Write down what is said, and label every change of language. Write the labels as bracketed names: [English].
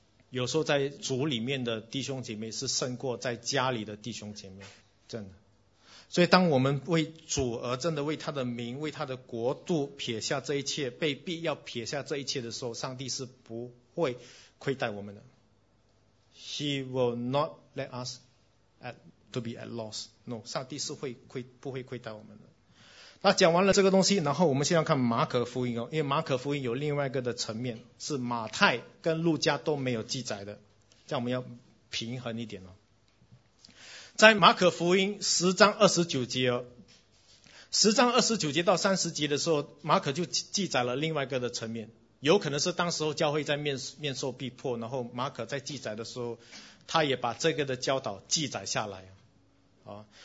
[Chinese] 有时候在主里面的弟兄姐妹是胜过在家里的弟兄姐妹，真的。所以当我们为主而真的为他的名、为他的国度撇下这一切，被逼要撇下这一切的时候，上帝是不会亏待我们的。 [English] He will not let us to be at loss. [Chinese] No, 上帝是不会亏待我们的。那讲完了这个东西，然后我们现在看马可福音哦，因为马可福音有另外一个的层面，是马太跟路加都没有记载的，这样我们要平衡一点哦。在马可福音10章29节哦，10章29节到30节的时候，马可就记载了另外一个的层面，有可能是当时候教会在面受逼迫，然后马可在记载的时候，他也把这个的教导记载下来，啊。